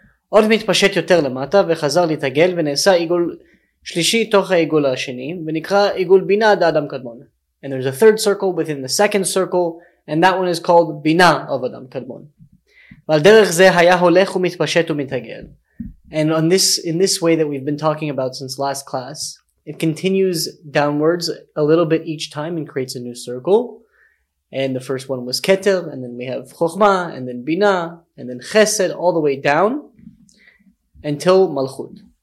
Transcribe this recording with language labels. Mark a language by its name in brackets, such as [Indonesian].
[Hebrew] עוד מתפשט יותר למטה וחזר להתעגל ונעשה עיגול שלישי תוך העיגול השני ונקרא עיגול בינה עד אדם קדמון. [English] And there's a third circle within the second circle and that one is called בינה of אדם קדמון. [Hebrew] ועל דרך זה היה הולך ומתפשט ומתעגל. [English] And on this, in this way that we've been talking about since last class, it continues downwards a little bit each time and creates a new circle. And the first one was Keter, and then we have Chochmah, and then Binah, and then Chesed, all the way down until Malchut.